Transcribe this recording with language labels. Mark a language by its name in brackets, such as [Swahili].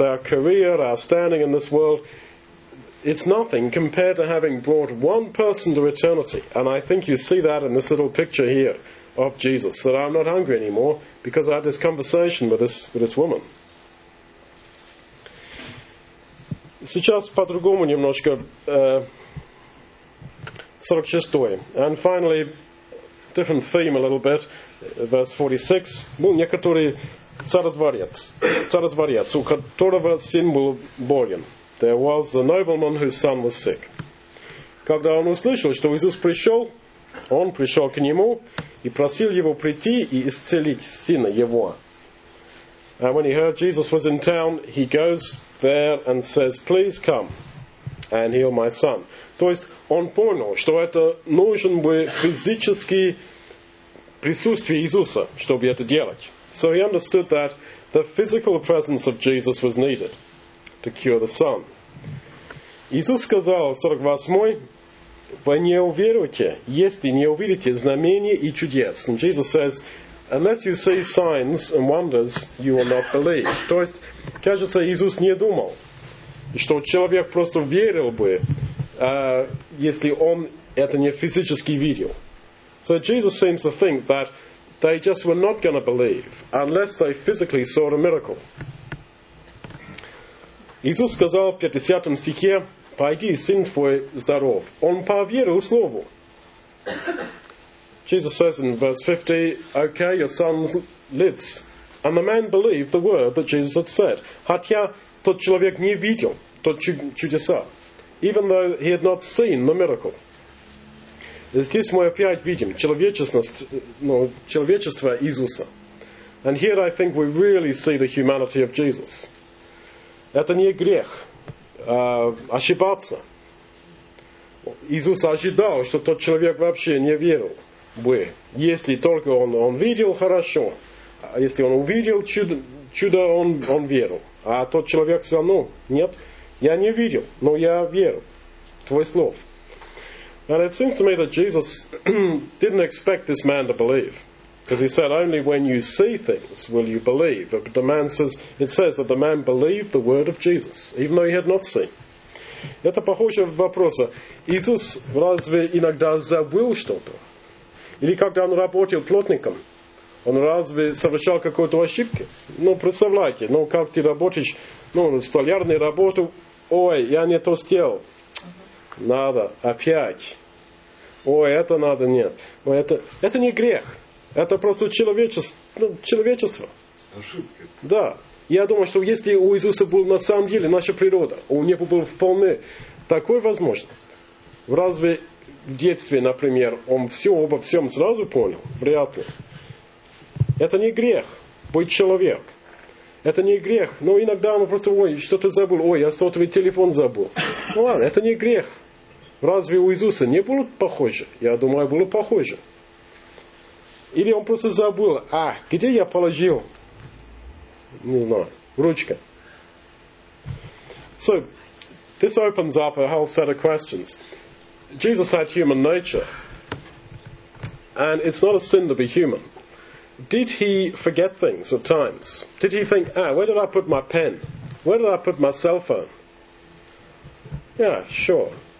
[English] Our career, our standing in this world, it's nothing compared to having brought one person to eternity. And I think you see that in this little picture here of Jesus, that I'm not hungry anymore because I had this conversation with this woman. [Russian] Сейчас по-другому немножко, 46-й. [English] And finally, different theme a little bit, verse 46. [Russian] Был некоторый царь-дворец, у которого сын был болен. [English] There was a nobleman whose son was sick. [Russian] Когда он услышал, что Иисус пришел, он пришел к нему и просил его прийти и исцелить сына его. [English] And when he heard Jesus was in town, he goes there and says, please come and heal my son. [Russian] То есть он понял, что это нужен бы физический присутствие Иисуса, чтобы это делать. [English] So he understood that the physical presence of Jesus was needed to cure the son. [Russian] Иисус сказал, 48-й, вы не уверуете, если не увидите знамения и чудес. [English] And Jesus says, unless you see signs and wonders, you will not believe. [Russian] То есть, кажется, Иисус не думал, что человек просто верил бы, если он это не физически видел. [English] So Jesus seems to think that they just were not going to believe unless they physically saw a miracle. [Russian] Иисус сказал в 50 стихе, «Пойди, сын твой здоров». Он поверил слову. [English] Jesus says in verse 50, «Okay, your son lives». And the man believed the word that Jesus had said. [Russian] Хотя тот человек не видел тот чудеса, [English] even though he had not seen the miracle. [Russian] Здесь мы опять видим человечность, ну, человечество Иисуса. [English] And here I think we really see the humanity of Jesus. [Russian] Это не грех ошибаться. Иисус ожидал, что тот человек вообще не верил бы, если только он видел хорошо. Если он увидел чудо, он верил. А тот человек сказал, ну, нет, я не видел, но я верю. Твой слов. [English] And it seems to me that Jesus didn't expect this man to believe. Because he said, only when you see things will you believe. But the man says, it says that the man believed the word of Jesus, even though he had not seen. [Russian] Это похоже на вопрос, Иисус разве иногда забыл что-то? Или когда он работал плотником, он разве совершал какую-то ошибку? Ну, представляете, ну, как ты работаешь, ну, столярной работой, ой, я не то сделал. Надо опять. Ой, это надо, нет. Ой, это не грех. Это просто человечество. Ошибка. Да. Я думаю, что если у Иисуса была на самом деле наша природа, у него была вполне такая возможность. Разве в детстве, например, он все обо всем сразу понял? Вряд ли. Это не грех быть человек. Это не грех. Но иногда он просто, ой, что-то забыл. Ой, я сотовый телефон забыл. Ну ладно, это не грех. Разве у Иисуса не было похоже? Я думаю, было похоже. Или он просто забыл, а, где я положил? Не знаю, ручка. [English] So, this opens up a whole set of questions. Jesus had human nature. And it's not a sin to be human. Did he forget things at times? Did he think, ah, where did I put my pen? Where did I put my cell phone? Yeah, sure.